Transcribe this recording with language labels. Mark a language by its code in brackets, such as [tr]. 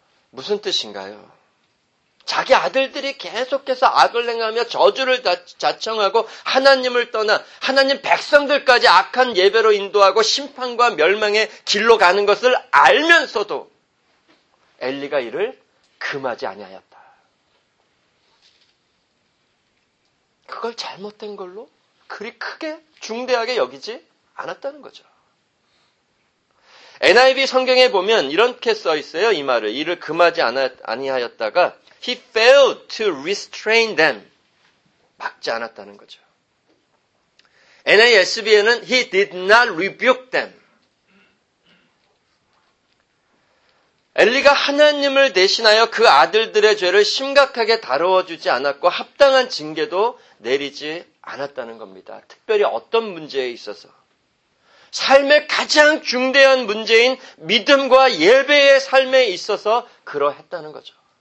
[ko] 무슨 뜻인가요? 자기 아들들이 계속해서 악을 행하며 저주를 자청하고 하나님을 떠나 하나님 백성들까지 악한 예배로 인도하고 심판과 멸망의 길로 가는 것을 알면서도 엘리가 이를 금하지 아니하였다. 그걸 잘못된 걸로 그리 크게 중대하게 여기지 않았다는 거죠. NIV 성경에 보면 이렇게 써 있어요. 이 말을. 이를 금하지 아니하였다가 [en] He failed to restrain them. [ko] 막지 않았다는 거죠. NASB에는 [en] He did not rebuke them. [ko] 엘리가 하나님을 대신하여 그 아들들의 죄를 심각하게 다루어주지 않았고 합당한 징계도 내리지 않았다는 겁니다. 특별히 어떤 문제에 있어서. 삶의 가장 중대한 문제인 믿음과 예배의 삶에 있어서 그러했다는 거죠.